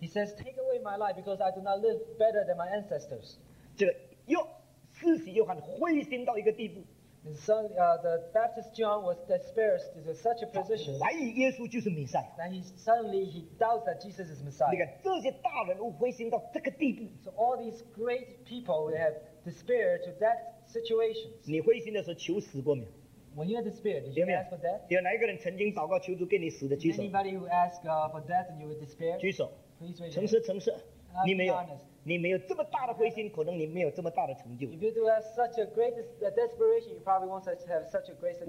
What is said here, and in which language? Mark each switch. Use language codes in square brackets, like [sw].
[en] He says, "Take away my life because I do not live better than my ancestors." [zh] 这个约，施洗约翰灰心到一个地步。 [en] The Baptist John was despaired to such a position. [zh] 怀疑耶稣就是弥赛亚。 [en] Then he suddenly doubts that Jesus is Messiah. [zh] 你看这些大人物灰心到这个地步。 [en] So all these great people have despair to that situation. [zh] 你灰心的时候求死过没有？ [en] When you are despaired, did you ask for death? [zh] 有哪一个人曾经祷告求主给你死的？举手。 [en] Anybody who ask for death and you were despair? [zh] 举手。 [en] Please raise. [zh] 诚实，你没有这么大的灰心，可能你没有这么大的成就。 [en] If you do have such a great desperation, you probably won't have such a great success.